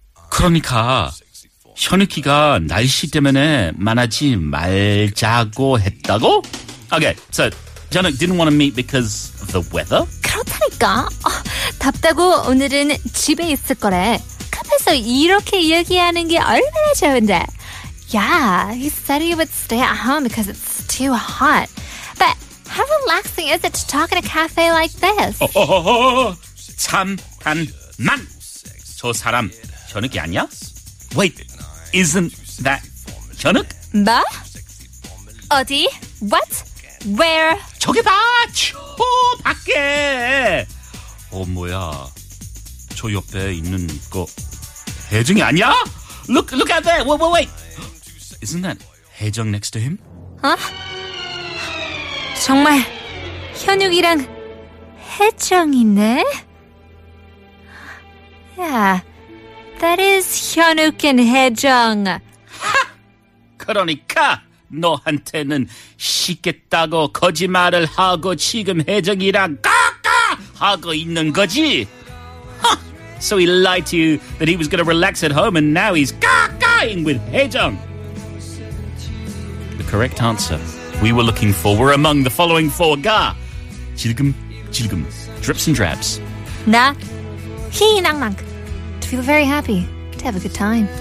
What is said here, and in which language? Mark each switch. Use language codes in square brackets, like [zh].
[ko] 그러니까 현우키가 날씨 때문에 만나지 말자고 했다고? [en] Okay, so Jinwa didn't want to meet because of the weather. [ko] 그렇다니까. 답답하고 오늘은 집에 있을 거래. 카페에서 이렇게 얘기하는 게 얼마나 좋은데. [en] Yeah, he said he would stay at home because it's too hot. But how relaxing is it to talk in a cafe like this? [ko] 잠깐만. 저 사람 현욱이 아니야? [en] Wait, isn't that 현욱? [ko] 뭐? 어디? [en] What? Where? [ko] 저기 봐! 저 밖에! 뭐야? 저 옆에 있는 거 혜정이 아니야? [en] Look at that! Wait! Isn't that 혜정 next to him? [ko] 어? 정말 현욱이랑 혜정이네? [en] Yeah, that is 현욱 and 혜정. [ko] 하! 그러니까! 너한테는 쉽겠다고 거짓말을 하고 지금 혜정이랑 까까 하고 있는 거지. [en] So he lied to you that he was going to relax at home and now he's ka-ka-ing with 혜정. The correct answer we were looking for were among the following four. Ga, [ko] 질금, [en] drips and drabs. 나, 희낭낭, to feel very happy, to have a good time.